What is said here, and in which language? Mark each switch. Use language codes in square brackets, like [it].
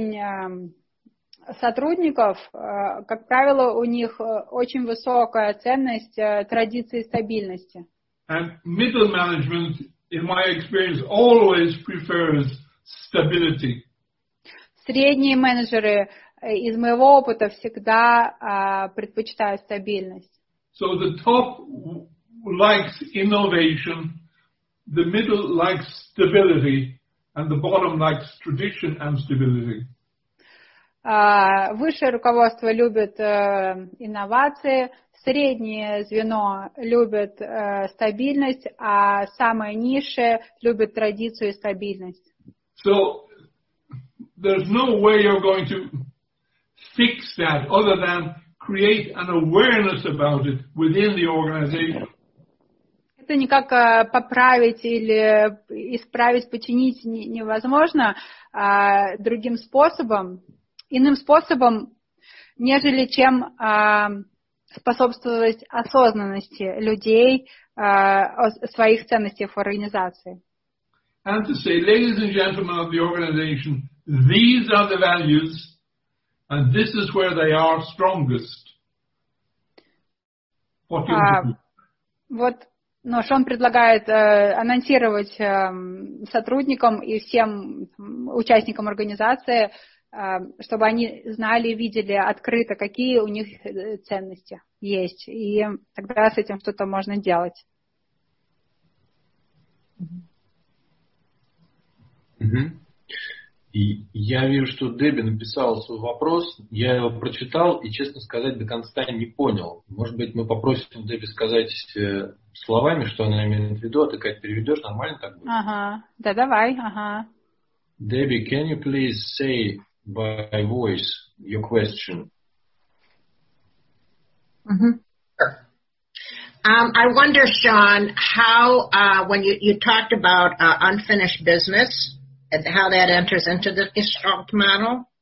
[ru] Уровень сотрудников, как правило, у них очень высокая ценность традиции стабильности. [en] And middle management, in my experience, always prefers stability. [ru] Средние менеджеры из моего опыта всегда предпочитают стабильность. [en] So the top likes innovation. The middle likes stability, and the bottom likes tradition and stability. [ru] Высшее руководство любит инновации, среднее звено любит стабильность, а самое низшее любит традицию и стабильность. [en] So there's no way you're going to fix that other than create an awareness about it within the organization. [ru] Это никак поправить или исправить, починить невозможно другим способом, иным способом, нежели чем способствовать осознанности людей своих ценностей в организации. [en] And to say, ladies and gentlemen of the organization, these are the values, and this is where they are strongest. What do you think? [ru] Но Шон предлагает анонсировать сотрудникам и всем участникам организации, чтобы они знали, видели открыто, какие у них ценности есть. И тогда с этим что-то можно делать. И я вижу, что Дебби написала свой вопрос. Я его прочитал и, честно сказать, до конца не понял. Может быть, мы попросим Дебби сказать словами, что она имеет в виду, а ты, Кать, переведешь, нормально так будет? Ага, да давай, ага. [en] Дебби, can you please say by voice your question? I wonder, Sean, how when you talked about unfinished business, and how that enters into the gestalt model.